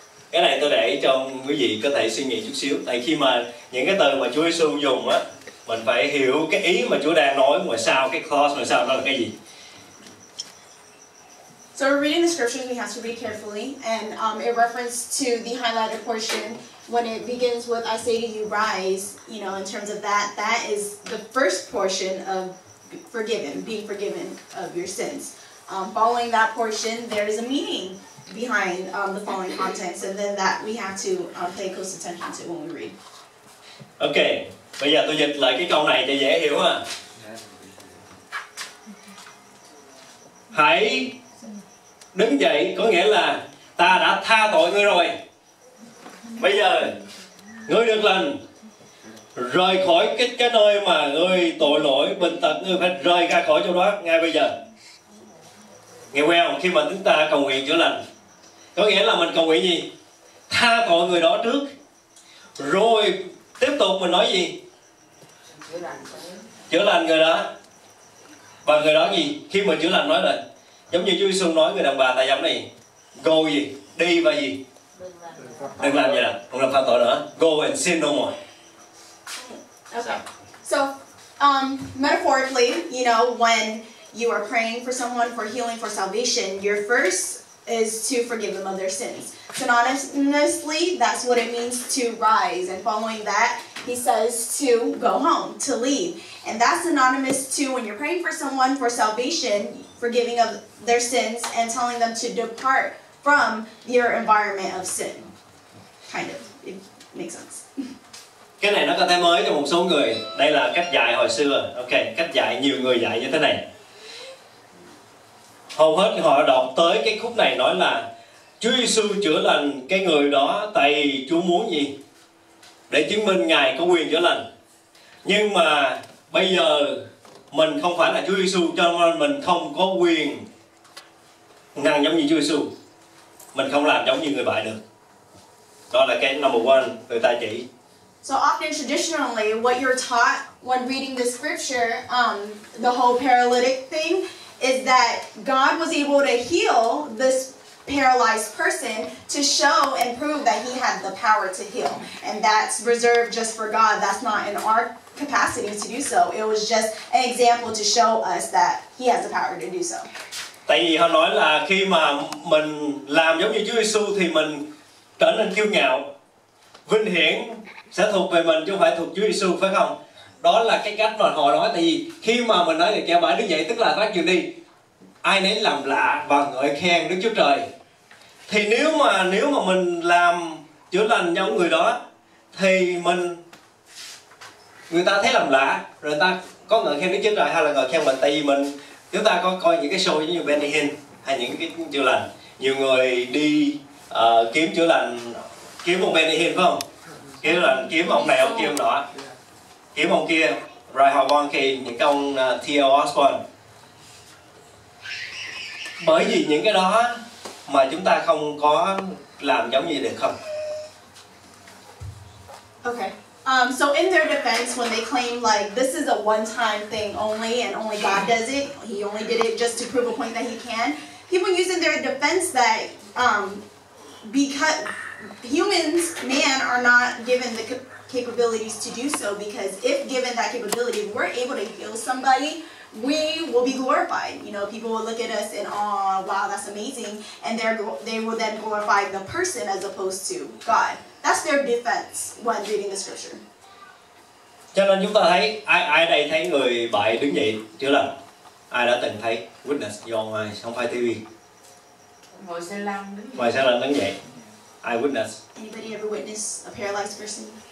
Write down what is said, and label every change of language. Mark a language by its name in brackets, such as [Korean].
[Vietnamese] Cái này tôi để cho quý vị có thể suy nghĩ chút xíu. Tại khi mà những cái từ mà Chúa Giêsu dùng á, mình phải hiểu cái ý mà Chúa đang nói ngoài sau cái clause, ngoài sau nó là cái gì. [English] So we're reading the scriptures, we have to read carefully, and it referenced to the highlighted portion when it begins with I say to you, rise, you know, in terms of that, that is the first portion of forgiven, being forgiven of your sins. Following that portion, there is a meaning behind the following contents, and then that we have to pay close attention to when we read. [Vietnamese] Okay, bây giờ tôi dịch lại cái câu này cho dễ hiểu ha. Hãy đứng dậy có nghĩa là ta đã tha tội ngươi rồi. Bây giờ ngươi được lành, rời khỏi cái nơi mà ngươi tội lỗi, bệnh tật, ngươi phải rời ra khỏi chỗ đó ngay bây giờ. Nghe quen không? Khi mà chúng ta cầu nguyện chữa lành, có nghĩa là mình cầu nguyện gì? Tha tội người đó trước, rồi tiếp tục mình nói gì? Chữa lành người đó. Và người đó gì? Khi mà chữa lành nói là giống như Chúa Giêsu nói người đàn bà tại giám này, [English] go [Vietnamese] gì? Đi và gì? Đừng làm gì nào, không làm phạm tội nữa. [English] Go and sin no more. Okay. So, metaphorically, you know, when you are praying for someone for healing, for salvation, your first is to forgive them of their sins. Synonymously, that's what it means to rise. And following that, he says to go home, to leave. And that's synonymous to when you're praying for someone for salvation, forgiving of their sins, and telling them to depart from your environment of sin. Kind of. It makes sense. [Vietnamese] Cái này nó có thể mới cho một số người. Đây là cách dạy hồi xưa. Okay, cách dạy nhiều người dạy như thế này. Hầu hết họ đọc tới cái khúc này nói là Chúa Giêsu chữa lành cái người đó tại Chúa muốn gì? Để chứng minh Ngài có quyền chữa lành. Nhưng mà bây giờ mình không phải là Chúa Giêsu cho nên mình không có quyền ngăn giống như Chúa Giêsu. Mình không làm giống như người bại được. Đó là cái [English] number one [Vietnamese] người ta chỉ. [English] So often traditionally what you're taught when reading the scripture, the whole paralytic thing, is that God was able to heal this paralyzed person to show and prove that he had the power to heal. And that's reserved just for God. That's not in our capacity to do so. It was just an example to show us that he has the power to do so. [Vietnamese] Tại vì họ nói là khi mà mình làm giống như Chúa Giêsu thì mình trở nên kiêu ngạo. Vinh hiển sẽ thuộc về mình chứ không phải thuộc Chúa Giêsu, phải không? Đó là cái cách mà họ nói, tại vì khi mà mình nói người kia bả đứng dậy tức là bắt chuyện đi, ai nấy làm lạ và ngợi khen Đức Chúa Trời. Thì nếu mà mình làm chữa lành cho người đó thì mình, người ta thấy làm lạ rồi người ta có ngợi khen Đức Chúa Trời hay là ngợi khen mình, tại vì mình, chúng ta có coi những cái show giống như Benny Hinn hay những cái chữa lành, nhiều người đi kiếm chữa lành, kiếm một Benny Hinn phải không, kiếm là kiếm ông này ông kia ông đó, kiếm ông kia, Ray Hawanki, những ông T.L. Osborne. Bởi vì những cái đó mà chúng ta không có làm giống như được không? [English] Okay. So in their defense, when they claim like this is a one-time thing only and only God does it, he only did it just to prove a point that he can, people use in their defense that because humans, man, are not given the capabilities to do so, because if given that capability, if we're able to heal somebody, we will be glorified. You know, people will look at us and, oh, wow, that's amazing. And they will then glorify the person as opposed to God. That's their defense when reading the scripture. [Vietnamese] Cho nên chúng ta thấy, ai đây thấy người bại đứng dậy chữa lành? Ai đã từng thấy? [English] Witness, your own eyes, [Vietnamese] không phải TV. Ngồi xe lăn đứng dậy. Ai witness? [English] Anybody ever witness a paralyzed person?